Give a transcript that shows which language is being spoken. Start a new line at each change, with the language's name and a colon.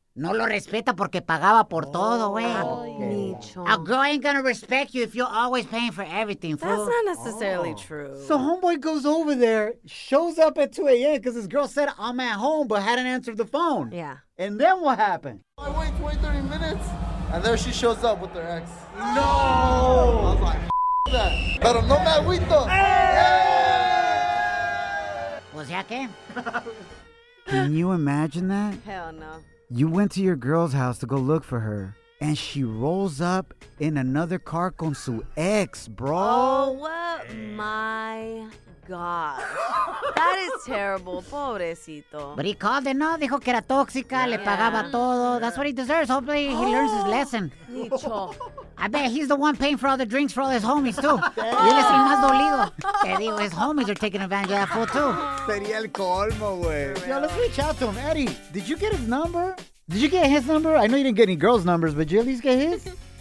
Spanish: No lo respeta porque pagaba por todo, güey.
English: A girl ain't gonna respect you if you're always paying for everything, fool. That's not necessarily true. So homeboy goes over there, shows up at 2 a.m. because his girl said, I'm at home, but hadn't answered the phone. Yeah. And then what happened? I wait 20, 30 minutes, and there she shows up with her ex. No! I was like, that. Pero no me agüito.
Spanish: Pues ya que?
English: Can you imagine that? Hell no. You went to your girl's house to go look for her, and she rolls up in another car con su ex, bro. Oh, my God. That is terrible. Pobrecito. But he called it, no?
Spanish: Dijo que era tóxica, yeah. Le pagaba todo.
English: Yeah. That's what he deserves. Hopefully he learns his lesson. Nicho. I bet he's the one paying for all the drinks for all his homies, too. Y él es el más dolido. Te digo, his homies are taking advantage of that fool, too. Sería el colmo, güey. Yo, let's reach out to him. Eddie, did you get his number? Did you get his number? I know you didn't get any girls' numbers, but did you at least get his?